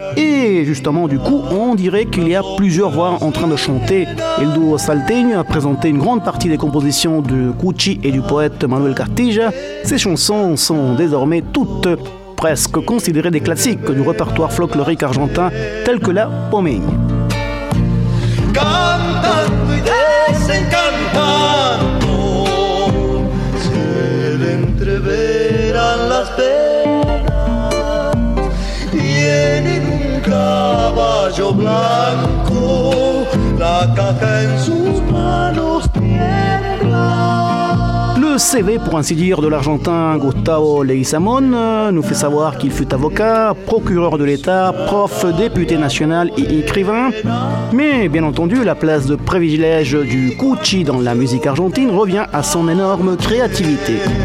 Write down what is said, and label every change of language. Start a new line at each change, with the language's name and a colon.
French: Et justement, du coup, on dirait qu'il y a plusieurs voix en train de chanter. El Duo Salteño a présenté une grande partie des compositions de Cucci et du poète Manuel Castilla. Ces chansons sont désormais toutes presque considérées des classiques du répertoire folklorique argentin, tel que la Pomeña.
Spanish: Cantando y desencantando, se le entreveran las penas, tiene un caballo blanco, la caja en sus manos tiembla.
French: Le CV, pour ainsi dire, de l'Argentin Gustavo Leguizamón nous fait savoir qu'il fut avocat, procureur de l'État, prof, député national et écrivain. Mais bien entendu, la place de privilège du Cucci dans la musique argentine revient à son énorme créativité.